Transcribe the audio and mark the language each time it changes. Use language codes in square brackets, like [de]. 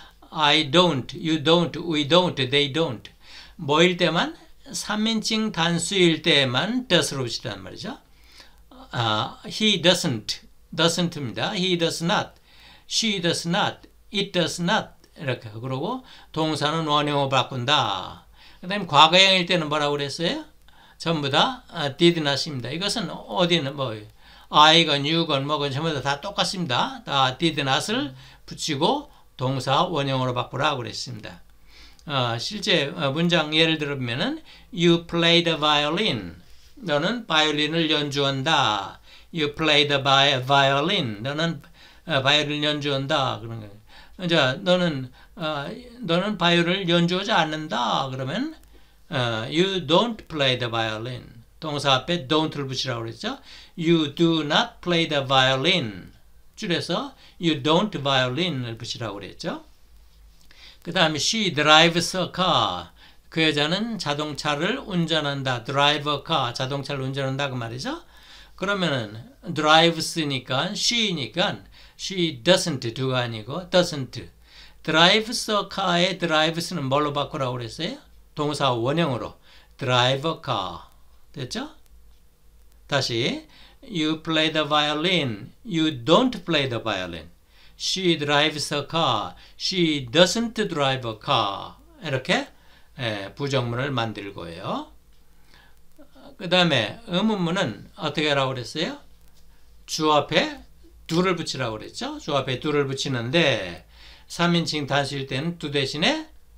[en] I don't, you don't, we don't, they don't. [ko] 뭐일 때만? 3인칭 단수일 때만 does로 붙이란 말이죠. [en] He doesn't, doesn't입니다. He does not, she does not, it does not. [ko] 이렇게 그러고 동사는 원형으로 바꾼다. 그 다음 과거형일 때는 뭐라고 그랬어요? 전부 다 did not입니다. 이것은 어디는 뭐 I건 you건 뭐건 전부 다 똑같습니다. 다 did not을 붙이고 동사 원형으로 바꾸라고 그랬습니다. 실제 문장 예를 들으면 [en] You play the violin. [ko] 너는 바이올린을 연주한다. [en] You play the violin. [ko] 너는 바이올린을 연주한다. 그런 거예요. 이제 너는 바이올린을 연주하지 않는다. 그러면 [en] you don't play the violin. [ko] 동사 앞에 don't를 붙이라고 그랬죠. [en] You do not play the violin. [ko] 줄여서 you don't violin을 붙이라고 그랬죠. 그 다음에 [en] she drives a car. [ko] 그 여자는 자동차를 운전한다. [en] drive a car. [ko] 자동차를 운전한다 그 말이죠. 그러면은 drives니까 she니까 [en] She doesn't [ko] do가 아니고 doesn't. drives a car의 drives는 뭘로 바꾸라고 그랬어요? 동사 원형으로 drive a car. 됐죠? [en] 다시 You play the violin. You don't play the violin. She drives a car. She doesn't drive a car. [ko] 이렇게 부정문을 만들고요. 그 다음에 의문문은 어떻게 하라고 그랬어요? 주 앞에 do를 붙이라고 그랬죠. 주 앞에 do를 붙이는데 3인칭 단수일 때는 do 대신에